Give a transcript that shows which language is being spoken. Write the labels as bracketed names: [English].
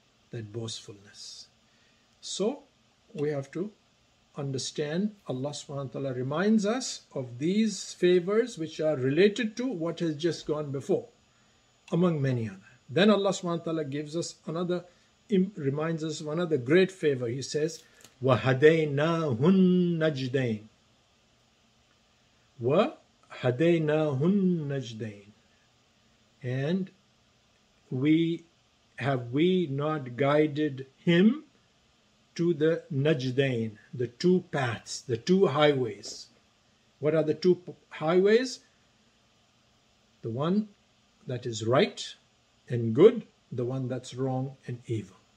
[English] That boastfulness. So we have to understand Allah subhanahu wa ta'ala reminds us of these favors which are related to what has just gone before, among many other. Then Allah subhanahu wa ta'ala gives us another, reminds us of another great favor. He says, [Arabic] وَهَدَيْنَاهُنْ نَجْدَيْنَ وَهَدَيْنَاهُنْ نَجْدَيْنَ. [English] And have we not guided him to the Najdain, the two paths, the two highways. What are the two highways? The one that is right and good, the one that's wrong and evil.